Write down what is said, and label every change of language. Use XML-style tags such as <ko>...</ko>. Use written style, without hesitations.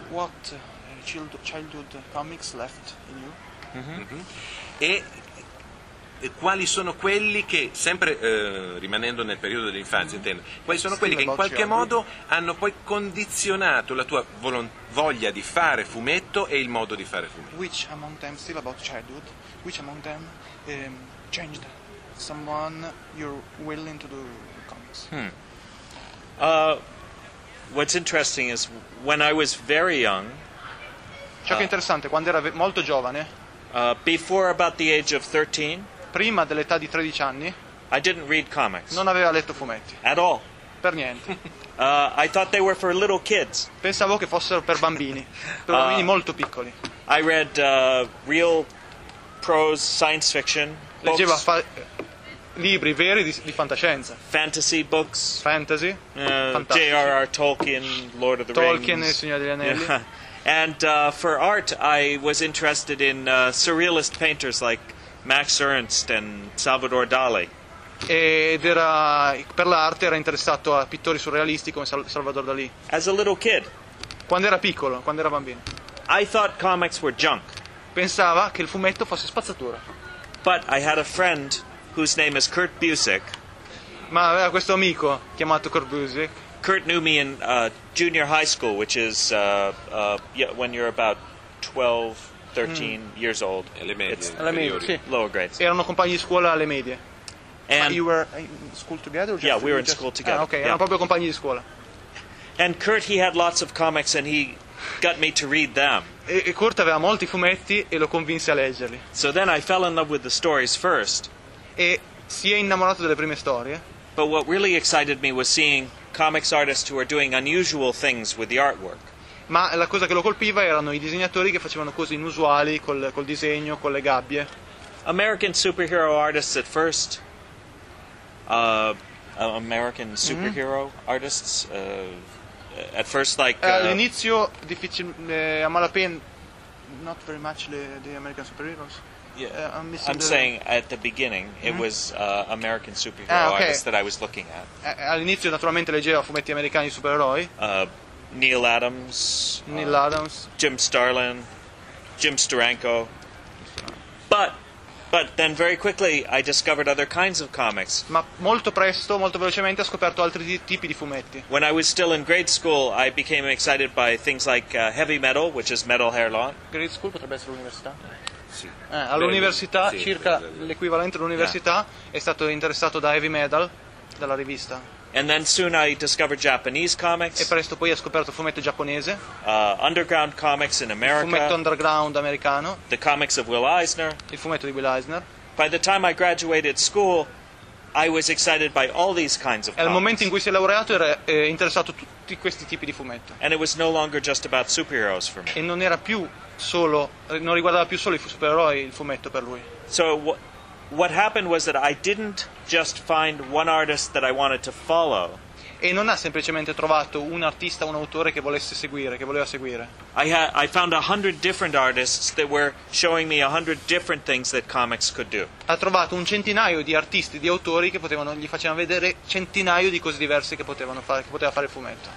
<en>What childhood comics left in you?</en> <it>E quali sono quelli che, sempre rimanendo nel periodo dell'infanzia, intendo, quali sono quelli che in qualche modo hanno poi condizionato la tua voglia di fare fumetto e il modo di fare fumetto?</it> <en>Which among them, still about childhood, which among them changed someone you're willing to do comics? What's interesting is, when I was very young...</en> <it>Ciò che è interessante, quando era molto giovane...</it> <en>Before about the age of 13...</en> <it>Prima dell'età di 13 anni,</it> <en>I didn't read comics.</en> <it>Non aveva letto fumetti.</it> <en>At all.</en> <it>Per niente.</it> <en>I thought they were for little kids.</en> <it>Pensavo che fossero per bambini molto piccoli.</it> <en>I read real prose science fiction.</en> <it>Leggeva libri veri di fantascienza.</it> <en>Fantasy books.</en> <it>Fantasy.</it> <en>J.R.R. Tolkien, Lord of the Tolkien Rings.</en> <it>Tolkien, il Signore degli Anelli.</it> <en>Yeah. And for art, I was interested in surrealist painters like Max Ernst and Salvador Dali.</en> <it>Ed era per l'arte era interessato a pittori surrealisti come Salvador Dali.</it> <en>As a little kid.</en> <it>Quando era piccolo, quando era bambino.</it> <en>I thought comics were junk.</en> <it>Pensava che il fumetto fosse spazzatura.</it> <en>But I had a friend whose name is Kurt Busiek.</en> <it>Ma aveva questo amico chiamato Kurt Busiek.</it> <en>Kurt knew me in junior high school, which is when you're about 12. 13 years old.</en> <it>Alle medie.</it> <en>It's</en> <it>alle medie, sì.</it> <en>Lower grades.</en> <it>Erano compagni di scuola alle medie.</it> <en>And you were in school together? Or just yeah, we were in school together. Okay, yeah.</en> <it>Erano proprio compagni di scuola.</it> <en>And Kurt, he had lots of comics and he got me to read them.</en> <it>E Kurt aveva molti fumetti e lo convinse a leggerli.</it> <en>So then I fell in love with the stories first.</en> <it>E si è innamorato delle prime storie.</it> <en>But what really excited me was seeing comics artists who are doing unusual things with the artwork.</en> <it>Ma la cosa che lo colpiva erano i disegnatori che facevano cose inusuali col disegno, con le gabbie.</it> <en>American superhero artists at first. American superhero artists at first, like</en> <it>all'inizio difficile a malapena,</it> <en>not very much the American superheroes. Yeah, I'm saying at the beginning it was American superhero artists that I was looking at.</en> <it>All'inizio naturalmente leggeva fumetti americani di supereroi.</it> <en>Neil Adams, Jim Starlin, Jim Steranko, but then very quickly I discovered other kinds of comics.</en> <it>Ma molto presto, molto velocemente ho scoperto altri tipi di fumetti.</it> <en>When I was still in grade school, I became excited by things like heavy metal, which is metal hair long.</en> <it>Grade school potrebbe essere l'università? Sì. All'università, sì, circa l'equivalente dell'università, è stato interessato da heavy metal, dalla rivista.</it> <en>And then soon I discovered Japanese comics.</en> <it>E presto poi ho scoperto fumetto giapponese.</it> <en>Underground comics in America.</en> <it>Fumetto underground americano.</it> <en>The comics of Will Eisner.</en> <it>Il fumetto di Will Eisner.</it> <en>By the time I graduated school, I was excited by all these kinds of comics.</en> <it>Al momento in cui si è laureato era interessato a tutti questi tipi di fumetto.</it> <en>And it was no longer just about superheroes for me.</en> <it>E non era più solo, non riguardava più solo i supereroi il fumetto per lui.</it> <en>So what happened was that I didn't just find one artist that I wanted to follow.</en> <it>E non ha semplicemente trovato un artista, un autore che volesse seguire, che voleva seguire.</it> <en>I found 100 different artists that were showing me 100 different things that comics could do.</en> <it>Ha trovato un centinaio di artisti, di autori che potevano, gli facevano vedere centinaio di cose diverse che potevano fare, che poteva fare il fumetto.</it>